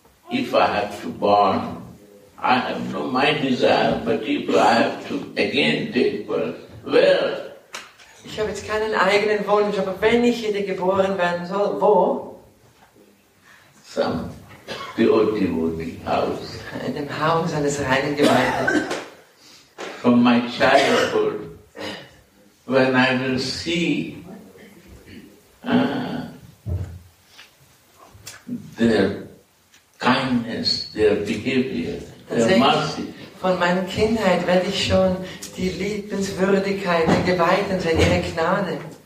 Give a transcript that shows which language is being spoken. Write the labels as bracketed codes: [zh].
[en] If I have to born, I have no my desire, but if I have to again take birth, where? [de] Ich habe jetzt keinen eigenen Wunsch, aber wenn ich wieder geboren werden soll, wo? [en] Some pure devotee house. [de] In dem Haus eines reinen Gemeinden. [en] From my childhood, when I will see their kindness, their behavior, their mercy. [de] Von meiner Kindheit werde ich schon die Liebenswürdigkeit, die Geweihten sein, ihre Gnade.